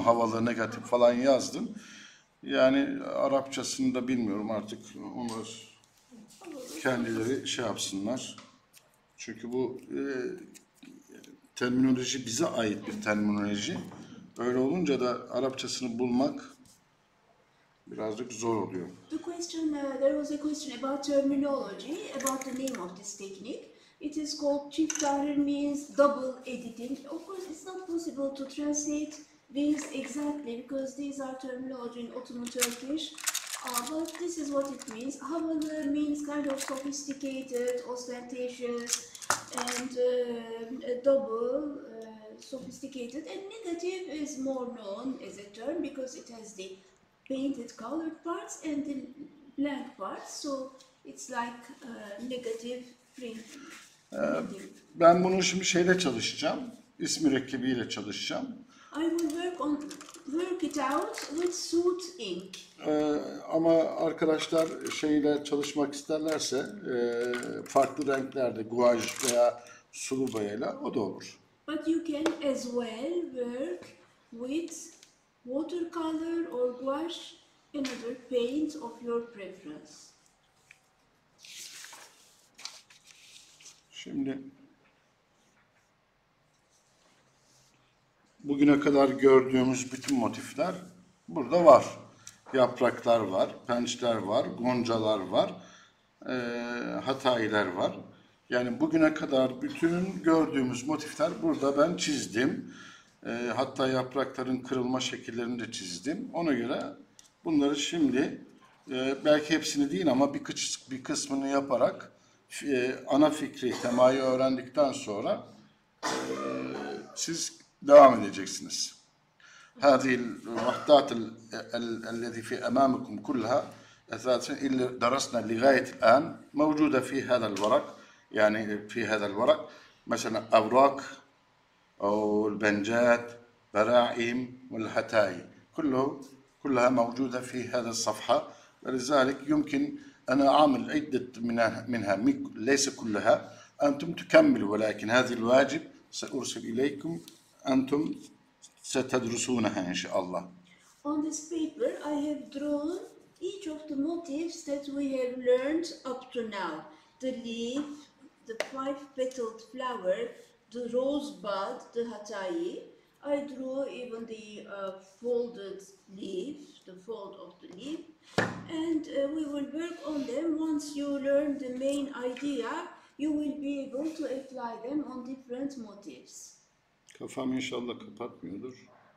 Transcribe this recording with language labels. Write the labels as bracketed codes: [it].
[tr] Havalı, negatif falan yazdın. Yani Arapçasını da bilmiyorum artık. Onlar kendileri şey yapsınlar. Çünkü bu terminoloji bize ait bir terminoloji. Öyle olunca da Arapçasını bulmak birazcık zor oluyor. [en] The question, there was a question about terminology, about the name of this technique. It is called çift tahrir, means double editing. Of course, it's not possible to translate these exactly because these are terminology in Ottoman Turkish. But this is what it means. Havalı means kind of sophisticated, ostentatious. And double, sophisticated, and negative is more known as a term because it has the painted colored parts and the blank parts, so it's like negative print. [tr] Ben bunu şimdi şeyle çalışacağım, is mürekkebiyle çalışacağım. [en] I will work it out with soot ink. [tr] Ama arkadaşlar şeyle çalışmak isterlerse farklı renklerde guaj veya sulu boyayla o da olur. [en] But you can as well work with watercolor or gouache, another paint of your preference. [tr] Şimdi bugüne kadar gördüğümüz bütün motifler burada var. Yapraklar var, pençler var, goncalar var, hatayiler var. Yani bugüne kadar bütün gördüğümüz motifler burada ben çizdim. Hatta yaprakların kırılma şekillerini de çizdim. Ona göre bunları şimdi belki hepsini değil ama bir kısmını yaparak ana fikri, temayı öğrendikten sonra siz devam edeceksiniz. [ar] هذه المحطات الذي في أمامكم كلها أثاث اللي درسنا لغاية الآن موجودة في هذا الورق يعني في هذا الورق مثلا أوراق أو البنجات براعم والحتاي كلها موجودة في هذا الصفحة لذلك يمكن أنا أعمل عدة منها ليس كلها أنتم تكملوا ولكن هذه الواجب سأرسل إليكم أنتم سَتَدْرُسُونَهَا إِنْ شَاءَ اللَّهِ [en] On this paper, I have drawn each of the motifs that we have learned up to now. The leaf, the five-petaled flower, the rosebud, the hatayi. I draw even the folded leaf, the fold of the leaf. And we will work on them. Once you learn the main idea, you will be able to apply them on different motifs. [tr] Kafam inşallah kapatmıyordur.